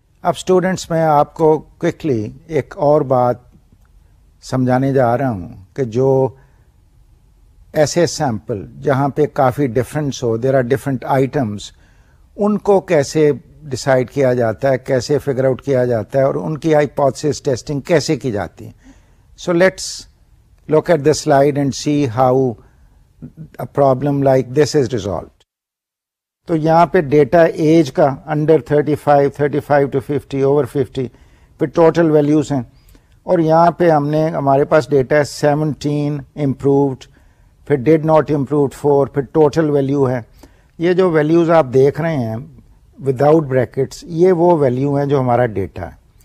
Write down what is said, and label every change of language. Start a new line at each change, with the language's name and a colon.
Urdu: اب اسٹوڈینٹس میں آپ کو کوئکلی ایک اور بات سمجھانے جا رہا ہوں کہ جو ایسے سیمپل جہاں پہ کافی difference ہو،
English: there are different items,
Urdu: ان کو کیسے ڈسائڈ کیا جاتا ہے، کیسے فگر آؤٹ کیا جاتا ہے، اور ان کی ہائیپوتھیسس ٹیسٹنگ کیسے کی جاتی ہے.
English: So let's look at the slide and see how a problem like this is resolved.
Urdu: تو یہاں پہ ڈیٹا ایج کا انڈر 35، 35 ٹو 50، اوور 50 پہ ٹوٹل ویلیوز ہیں، اور یہاں پہ ہم نے ہمارے پاس ڈیٹا ہے 17 امپرووڈ، پھر ڈیڈ ناٹ امپرووڈ 4، پھر ٹوٹل ویلیو ہے. یہ جو ویلیوز آپ دیکھ رہے ہیں
English: without brackets
Urdu: یہ وہ ویلیو ہیں جو ہمارا ڈیٹا ہے.